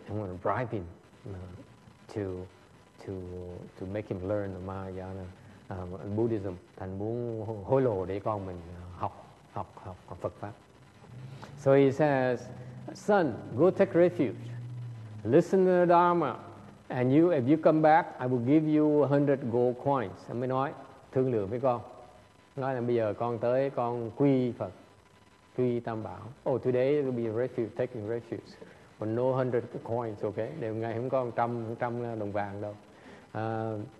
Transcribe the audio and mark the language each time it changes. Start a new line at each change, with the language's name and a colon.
English: I'm going to bribe him to make him learn the Mahayana Buddhism.
Vietnamese: Thành muốn hối lộ để con mình học Phật pháp.
English: So he says, son, go take refuge. Listen to the Dharma, and you, if you come back, I will give you 100 gold coins.
Vietnamese: Ông mới nói thương lượng với con. Nói là bây giờ con tới con quy Phật. Quy Tam Bảo.
English: Oh, today it will be refuge, taking refuge. But no 100 coins, okay?
Vietnamese: Đều ngày không có 100 đồng vàng đâu.